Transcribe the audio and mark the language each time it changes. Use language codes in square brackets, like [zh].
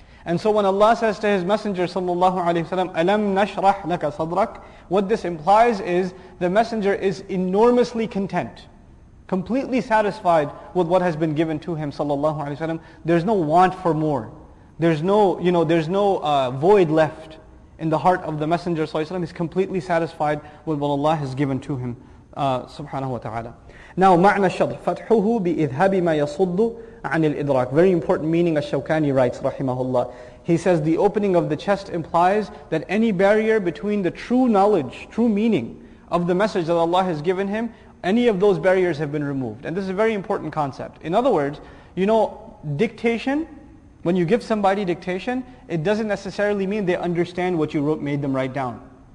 [en] And so when Allah says to His Messenger sallallahu alaihi wasallam, [ar] "Alam nashrah laka sadrak," [en] what this implies is the Messenger is enormously content, completely satisfied with what has been given to him sallallahu alaihi wasallam. There's no want for more. There's no void left in the heart of the Messenger sallallahu alaihi wasallam. He's completely satisfied with what Allah has given to him subhanahu wa ta'ala. [ar] Now, معنى الشطر فتحه بإذهاب ما يصد عن الإدراك. [en] Very important meaning, as Shawkani writes, rahimahullah. He says the opening of the chest implies that any barrier between the true knowledge, true meaning of the message that Allah has given him, any of those barriers have been removed. And this is a very important concept. In other words, you know, dictation, when you give somebody dictation, it doesn't necessarily mean they understand what you wrote, made them write down.